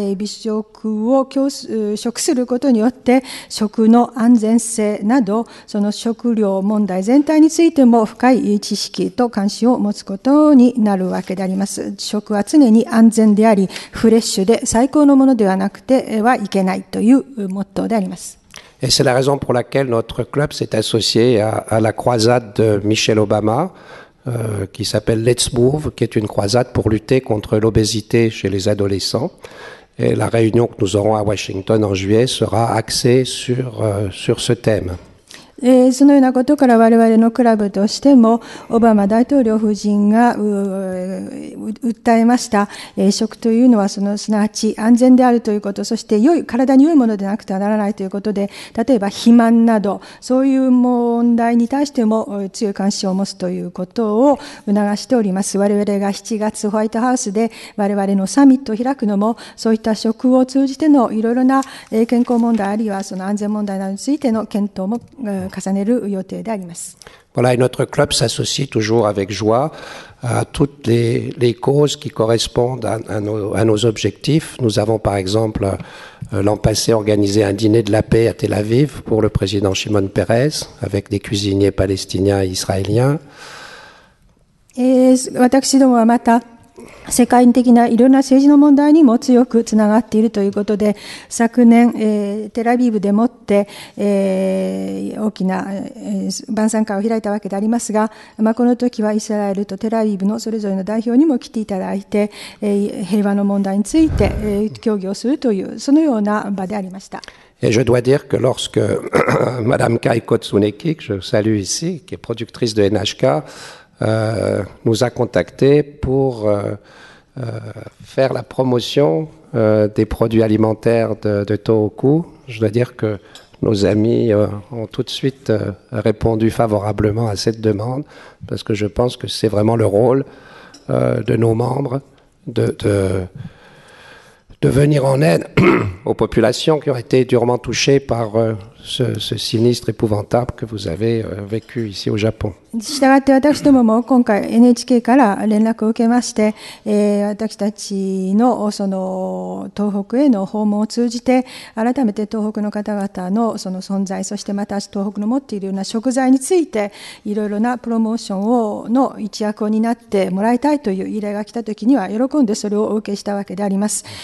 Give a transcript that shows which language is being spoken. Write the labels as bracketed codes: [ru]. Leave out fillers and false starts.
[ja] 美食を食することによって食の安全性などその食料問題全体についても深い知識と関心を持つことになるわけであります食は常に安全でありフレッシュで最高のものではなくてはいけないというモットーであります [fr] Et c'est la raison pour laquelle notre club s'est associé à la croisade de Michel Obamaqui s'appelle Let's Move, qui est une croisade pour lutter contre l'obésité chez les adolescents. Et la réunion que nous aurons à Washington en juillet sera axée sur ce thème. [ja] そのようなことから我々のクラブとしてもオバマ大統領夫人が訴えました食というのはそのすなわち安全であるということそして良い体に良いものでなくてはならないということで例えば肥満などそういう問題に対しても強い関心を持つということを促しております我々が7月ホワイトハウスで我々のサミットを開くのもそういった食を通じてのいろいろな健康問題あるいはその安全問題などについての検討も重ねる予定であります。 [fr] Voilà, et notre club s'associe toujours avec joie à toutes les causes qui correspondent à nos objectifs. Nous avons par exemple l'an passé organisé un dîner de la paix à Tel Aviv pour le président Shimon Peres avec des cuisiniers palestiniens et israéliens. Et [ja] 私どもはまた世界的ないろんな政治の問題にも強くつながっているということで、昨年、テラビブでもって、大きな、晩餐会を開いたわけでありますが、まあ、この時はイスラエルとテラビブのそれぞれの代表にも来ていただいて、平和の問題について、協議をするというそのような場でありました。 [fr] Et je dois dire que lorsque Madame Kai Kotsuneki, que je salue ici, qui est productrice de NHK, nous a contactés pour faire la promotion des produits alimentaires de Tohoku, je dois dire que nos amis ont tout de suite répondu favorablement à cette demande, parce que je pense que c'est vraiment le rôle de nos membres de venir en aide aux populations qui ont été durement touchées par ce sinistre épouvantable que vous avez vécu ici au Japon. [ja] したがって私どもも今回 NHK から連絡を受けまして、私たちのその東北への訪問を通じて改めて東北の方々のその存在、そしてまた東北の持っているような食材についていろいろなプロモーションをの一役を担ってもらいたいという依頼が来た時には喜んでそれをお受けしたわけであります。